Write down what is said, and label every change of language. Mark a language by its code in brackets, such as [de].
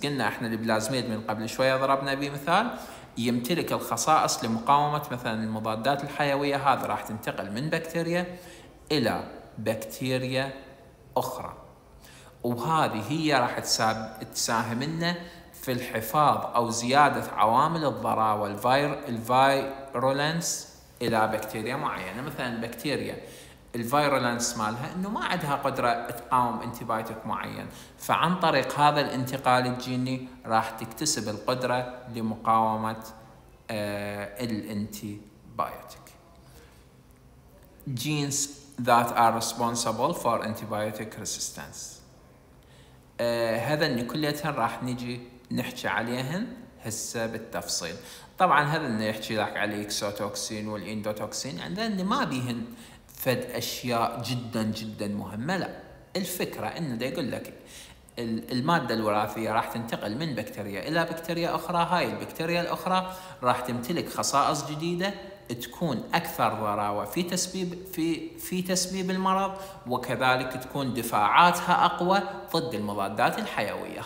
[ar] قلنا احنا البلازميد من قبل شويه ضربنا به مثال يمتلك الخصائص لمقاومه مثلا المضادات الحيويه، هذا راح تنتقل من بكتيريا الى بكتيريا اخرى، وهذه هي راح تساهم لنا في الحفاظ او زياده عوامل الضراوه الفايرولنس الى بكتيريا معينه. مثلا بكتيريا الفيرولنس مالها انه ما عندها قدره تقاوم انتيبايتك معين، فعن طريق هذا الانتقال الجيني راح تكتسب القدره لمقاومه الانتيبايتك. [en] genes that are responsible for antibiotic resistance. [ar] هذن كلها راح نجي نحكي عليهن هسه بالتفصيل. طبعا هذا اللي يحكي لك على الاكسوتوكسين والاندوتوكسين، عندنا ما بيهن فد اشياء جدا جدا مهمه، لا، الفكره انه دا يقول لك الماده الوراثيه راح تنتقل من بكتيريا الى بكتيريا اخرى، هاي البكتيريا الاخرى راح تمتلك خصائص جديده تكون اكثر ضراوه في تسبيب المرض، وكذلك تكون دفاعاتها اقوى ضد المضادات الحيويه.